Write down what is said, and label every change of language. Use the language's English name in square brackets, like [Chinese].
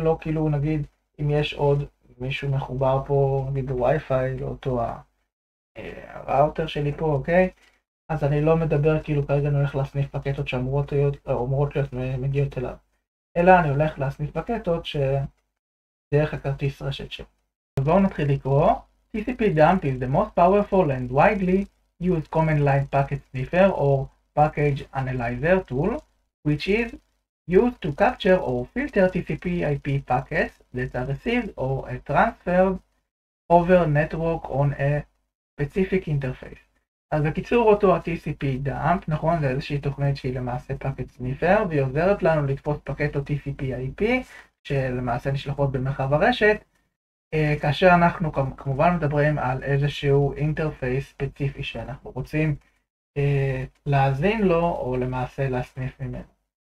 [Hebrew] לא כאילו, נגיד, אם יש עוד מישהו מחובר פה, נגיד בווי-פיי, לאותו הראוטר שלי פה, אוקיי? אז אני לא מדבר כאילו כרגע אני הולך להסניף פקטות שאמורות להיות, אמורות להיות מגיעות אליו. אלא אני הולך להסניף פקטות שדרך הכרטיס רשת שלי. בואו נתחיל לקרוא. [English] TCP dump is the most powerful and widely used command line packet sniffer or package analyzer tool, which is used to capture or filter TCP IP packets that are received or transferred over network on a specific interface. [Hebrew] אז בקיצור אותו ה-TCP dump, נכון, זה איזושהי תוכנית שהיא למעשה packet sniffer, והיא עוזרת לנו לתפוס פקטו TCP IP, שלמעשה נשלחות במרחב הרשת, כאשר אנחנו כמובן מדברים על איזשהו אינטרפייס ספציפי שאנחנו רוצים להזין לו או למעשה להסניף ממנו.